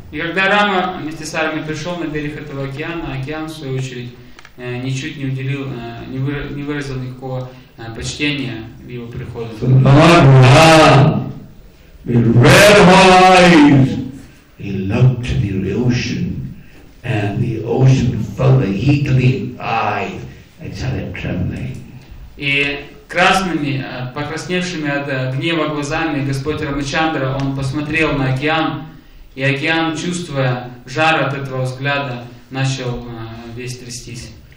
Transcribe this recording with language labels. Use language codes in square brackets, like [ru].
[ru] И когда Рама вместе с армией пришел на берег этого океана, океан, в свою очередь, ничуть не уделил, не выразил никакого почтения в его приходу. [en] So Lord Rama, with red eyes, he looked to the ocean, and the ocean felt the heat of the eyes and started trembling. [ru] И красными, покрасневшими от гнева глазами Господь Рамачандра, он посмотрел на океан, и океан, чувствуя жар от этого взгляда, начал весь трястись.